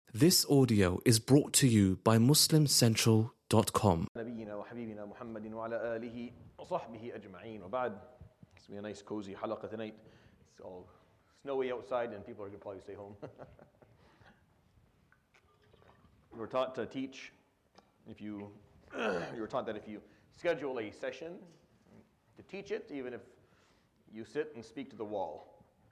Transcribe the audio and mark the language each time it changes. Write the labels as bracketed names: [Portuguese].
[English] This audio is brought to you by MuslimCentral.com. [Arabic] نبينا وحبيبنا محمد وعلى آله وصحبه أجمعين. [English] وبعد, it's gonna be a nice cozy حلقة tonight. It's all snowy outside and people are gonna probably stay home. You're taught to teach. You're taught that if you schedule a session to teach it, even if you sit and speak to the wall.